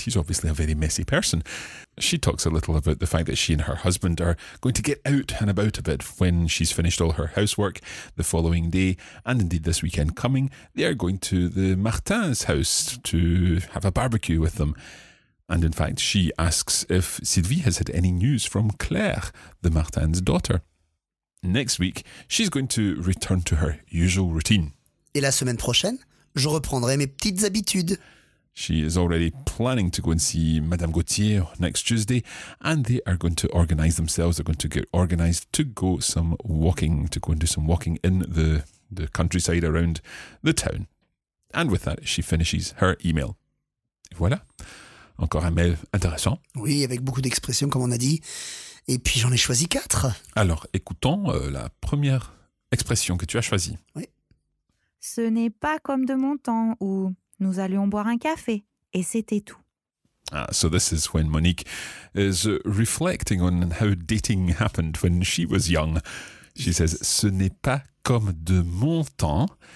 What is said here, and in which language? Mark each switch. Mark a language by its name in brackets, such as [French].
[English] He's obviously a very messy person. She talks a little about the fact that she and her husband are going to get out and about a bit when she's finished all her housework the following day, and indeed this weekend coming, they are going to the Martins' house to have a barbecue with them. And in fact, she asks if Sylvie has had any news from Claire, the Martin's daughter. Next week, she's going to return to her usual routine. [French] Et la semaine prochaine, je reprendrai mes petites habitudes. [English] She is already planning to go and see Madame Gauthier next Tuesday, and they are going to organise themselves. They're going to get organised to go some walking, to go and do some walking in the countryside around the town. And with that, she finishes her email. Voilà. [French] Encore un mail intéressant. Oui, avec beaucoup d'expressions, comme on a dit. Et puis j'en ai choisi quatre. Alors, écoutons la première expression que tu as choisie. Oui. Ce n'est pas comme de mon temps où nous allions boire un café et c'était tout. [English] Ah, so this is when Monique is reflecting on how dating happened when she was young. She says, [French] ce n'est pas comme de mon temps.